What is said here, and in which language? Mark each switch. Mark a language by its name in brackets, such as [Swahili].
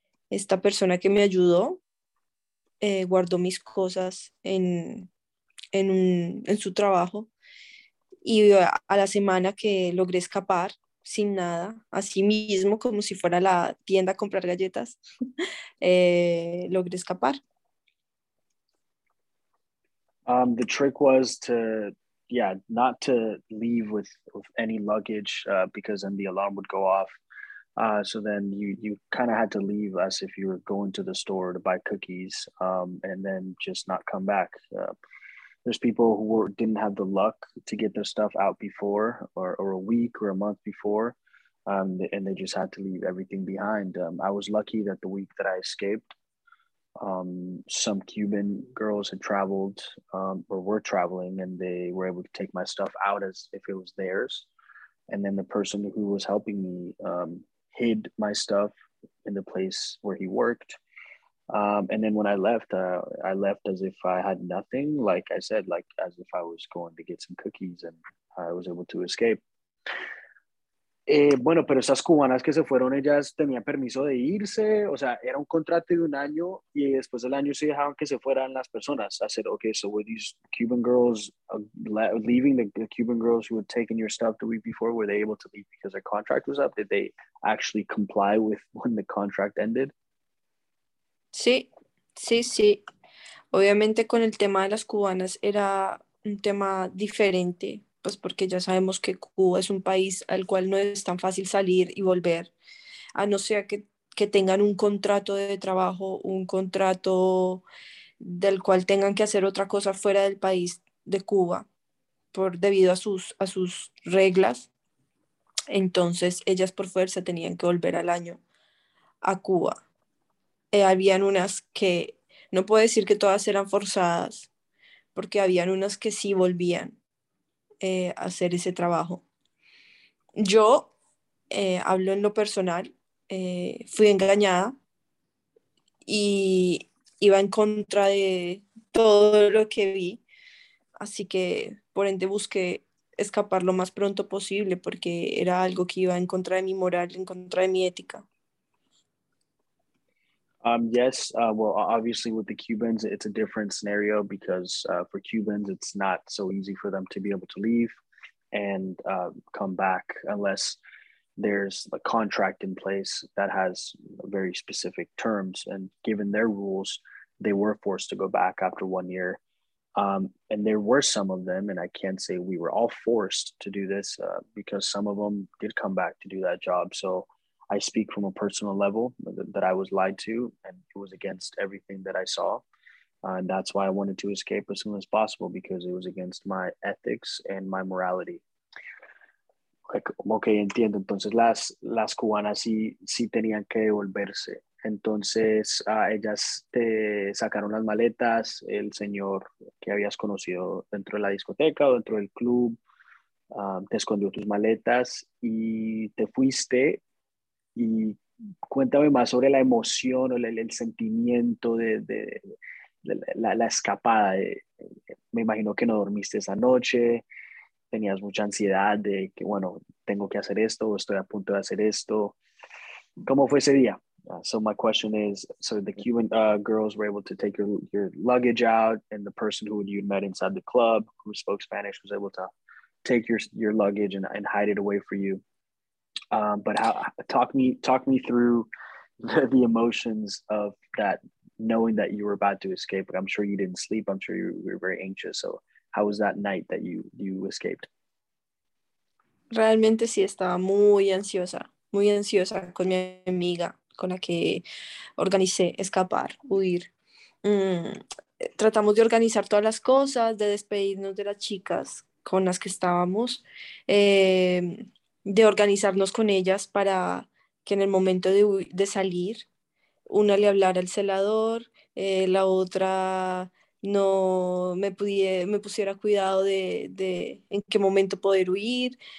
[Spanish] Esta persona que me ayudó guardó mis cosas en su trabajo y a la semana que logré escapar sin nada, así mismo como si fuera a la tienda a comprar galletas, logré escapar. [English] The trick was to, not to leave with any luggage, because then the alarm would go off. So then you kind of had to leave as if you were going to the store to buy cookies, and then just not come back. There's people who were didn't have the luck to get their stuff out before, or a week or a month before, and they just had to leave everything behind. I was lucky that the week that I escaped, some Cuban girls had traveled, or were traveling, and they were able to take my stuff out as if it was theirs. And then the person who was helping me hid my stuff in the place where he worked. And then when I left as if I had nothing, like I said, like as if I was going to get some cookies, and I was able to escape. [Spanish] Bueno, pero esas cubanas que se fueron, ellas tenían permiso de irse, o sea, era un contrato de un año y después del año se dejaban que se fueran las personas. [English] I said, okay, so were these Cuban girls leaving, the Cuban girls who had taken your stuff the week before, were they able to leave because their contract was up? Did they actually comply with when the contract ended? [Spanish] Sí. Obviamente con el tema de las cubanas era un tema diferente, pues porque ya sabemos que Cuba es un país al cual no es tan fácil salir y volver, a no ser que tengan un contrato de trabajo, un contrato del cual tengan que hacer otra cosa fuera del país de Cuba, por debido a sus reglas. Entonces ellas por fuerza tenían que volver al año a Cuba. Habían unas que, no puedo decir que todas eran forzadas, porque habían unas que sí volvían a hacer ese trabajo. Yo hablo en lo personal, fui engañada y iba en contra de todo lo que vi, así que por ende busqué escapar lo más pronto posible, porque era algo que iba en contra de mi moral, en contra de mi ética. [English] Yes, well, obviously with the Cubans, it's a different scenario because for Cubans, it's not so easy for them to be able to leave and come back unless there's a contract in place that has very specific terms. And given their rules, they were forced to go back after 1 year. And there were some of them, and I can't say we were all forced to do this because some of them did come back to do that job. So I speak from a personal level that I was lied to, and it was against everything that I saw. And that's why I wanted to escape as soon as possible because it was against my ethics and my morality. [Spanish] Okay, entiendo. Entonces, las cubanas sí tenían que devolverse. Entonces, ellas te sacaron las maletas, el señor que habías conocido dentro de la discoteca o dentro del club, te escondió tus maletas y te fuiste. Y cuéntame más sobre la emoción o el sentimiento de la escapada. Me imagino que no dormiste esa noche, tenías mucha ansiedad de que, bueno, tengo que hacer esto o estoy a punto de hacer esto. ¿Cómo fue ese día? [English] So my question is, so the Cuban girls were able to take your luggage out, and the person who you met inside the club, who spoke Spanish, was able to take your luggage and hide it away for you. But how, talk me through the emotions of that, knowing that you were about to escape. I'm sure you didn't sleep. I'm sure you were very anxious. So how was that night that you escaped? [Spanish] Realmente sí estaba muy ansiosa con mi amiga con la que organicé escapar, huir. Tratamos de organizar todas las cosas, de despedirnos de las chicas con las que estábamos, de organizarnos con ellas para que en el momento de salir, una le hablara al celador, la otra no me pudie, me pusiera cuidado de en qué momento poder huir.